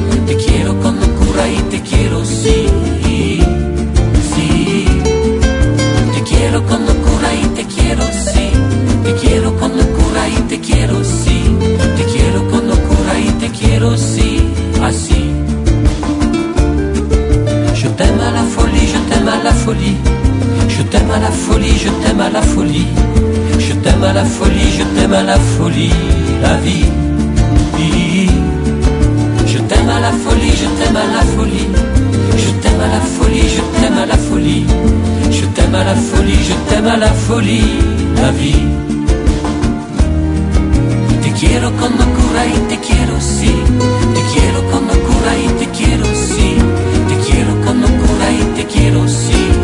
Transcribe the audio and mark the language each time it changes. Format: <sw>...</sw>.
<es>Te quiero con locura y te quiero, sí. Sí. Te quiero con locura y te quiero, sí. Te quiero con locura y te quiero, sí. Te quiero con locura y te quiero, sí. Así.</es> <fr>Je t'aime à la folie, je t'aime à la folie. Je t'aime à la folie, je t'aime à la folie. Je t'aime à la folie, je t'aime à la folie, la vie. Je t'aime à la folie, je t'aime à la folie. Je t'aime à la folie, je t'aime à la folie. Je t'aime à la folie, je t'aime à la folie, la vie.</fr> <es>Te quiero con locura y te quiero, sí. Te quiero con locura y te quiero, sí. Te quiero con locura y te quiero, sí.</es>